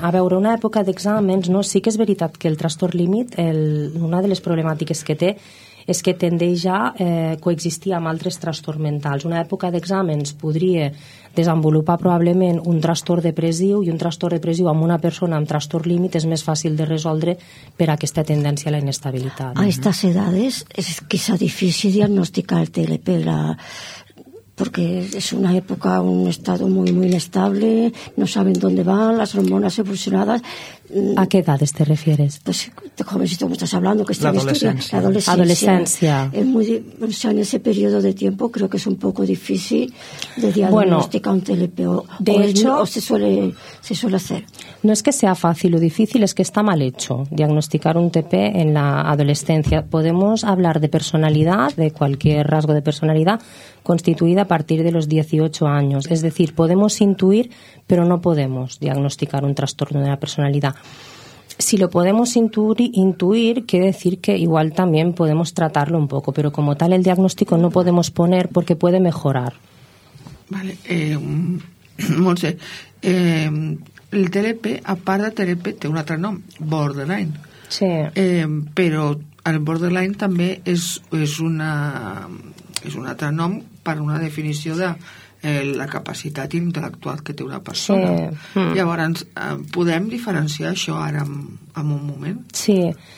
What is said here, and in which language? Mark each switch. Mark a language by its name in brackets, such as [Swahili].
[Catalan] A veure, una època d'exàmens, no? Sí que és veritat que el trastorn límit, una de les problemàtiques que té és que tendeix a coexistir amb altres trastorns mentals. Una època d'exàmens podria desenvolupar probablement un trastorn depressiu, i un trastorn depressiu amb una persona amb trastorn límit és més fàcil de resoldre per aquesta tendència a la inestabilitat. [Spanish] A estas edades [Catalan] és que és difícil [Spanish] diagnosticar el TLP, porque es una época, un estado muy, muy inestable, no saben dónde van, las hormonas evolucionadas. ¿A qué edades te refieres? Pues, jovencito, como estás hablando, que está en estudio. La adolescencia. Es muy, o sea, en ese periodo de tiempo creo que es un poco difícil de diagnosticar un TLP. De hecho, se suele hacer. No es que sea fácil o difícil, es que está mal hecho diagnosticar un TP en la adolescencia. Podemos hablar de personalidad, de cualquier rasgo de personalidad, constituida a partir de los 18 años. Es decir, podemos intuir, pero no podemos diagnosticar un trastorno de la personalidad. Si lo podemos intuir, quiere decir que igual también podemos tratarlo un poco, pero como tal el diagnóstico no podemos poner porque puede mejorar. Vale. Montse, el TLP, aparte de TLP, tiene un otro nombre, borderline. Sí. Pero el borderline también [Catalan] és un altre nom per una definició de la capacitat intel·lectual que té una persona. Sí. Llavors, podem diferenciar això ara en un moment? Sí.